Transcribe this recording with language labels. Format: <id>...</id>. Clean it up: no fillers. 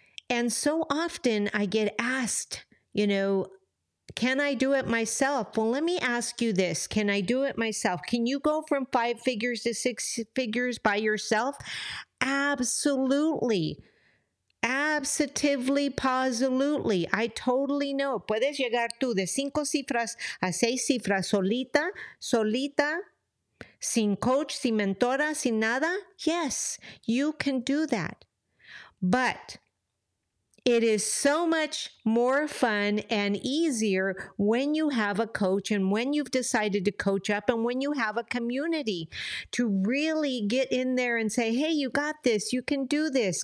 <en>And so often I get asked, you know, can I do it myself? Well, let me ask you this. Can I do it myself? Can you go from five figures to six figures by yourself? Absolutely. Absolutely, positively. I totally know.</en> <es>Puedes llegar tú de cinco cifras a seis cifras solita, solita, sin coach, sin mentora, sin nada.</es> <en>Yes, you can do that. But it is so much more fun and easier when you have a coach and when you've decided to coach up and when you have a community to really get in there and say, hey, you got this. You can do this.</en>